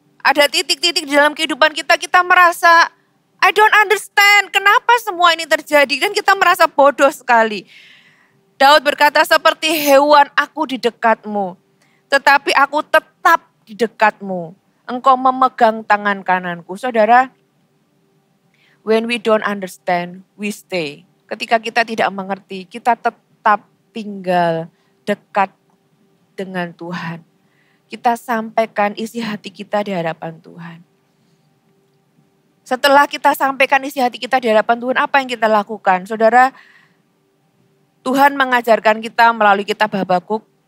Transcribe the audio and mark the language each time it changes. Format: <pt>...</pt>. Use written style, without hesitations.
<id>Ada titik-titik di dalam kehidupan kita merasa,</id> <en>I don't understand</en> <id>kenapa semua ini terjadi. Dan kita merasa bodoh sekali. Daud berkata, seperti hewan aku di dekatmu. Tetapi aku tetap di dekatmu. Engkau memegang tangan kananku.</id> <en>Saudara, when we don't understand, we stay.</en> <id>Ketika kita tidak mengerti, kita tetap tinggal dekat dengan Tuhan. Kita sampaikan isi hati kita di hadapan Tuhan. Setelah kita sampaikan isi hati kita di hadapan Tuhan, apa yang kita lakukan? Saudara, Tuhan mengajarkan kita melalui kitab Habakuk.</id>